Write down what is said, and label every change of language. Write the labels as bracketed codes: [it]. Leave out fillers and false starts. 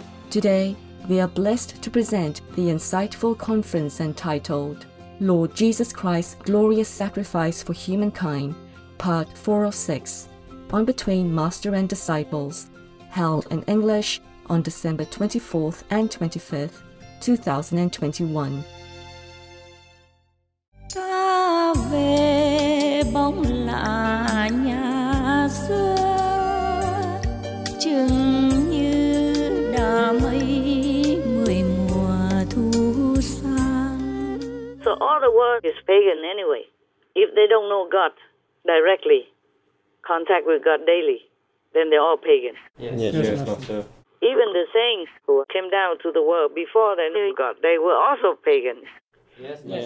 [en] Today, we are blessed to present the insightful conference entitled Lord Jesus Christ's Glorious Sacrifice for Humankind, Part 4 of 6, on Between Master and Disciples, held in English on December 24th and 25th, 2021. [vi] Về bóng lạ nhà xưa chừng như đã mây mười mùa thu sang. [en] So all the world is pagan anyway. If they don't know God directly, contact with God daily, then they're all pagan. Yes, Master. Even the saints who came down to the world before they knew God, they were also pagans. Yes.